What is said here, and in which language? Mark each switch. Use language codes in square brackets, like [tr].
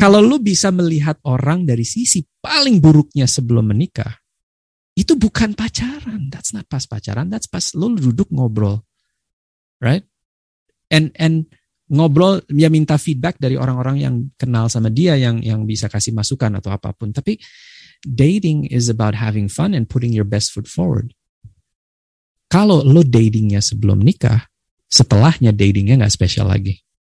[id] Kalau lo bisa melihat orang dari sisi paling buruknya sebelum menikah, itu bukan pacaran. [en] That's not [id] pas pacaran. That's pas lo duduk ngobrol. Right? And ngobrol, ya minta feedback dari orang-orang yang kenal sama dia, yang bisa kasih masukan atau apapun. Tapi [en] dating is about having fun and putting your best foot forward. [id] Kalau lo datingnya sebelum nikah, setelahnya datingnya gak spesial lagi.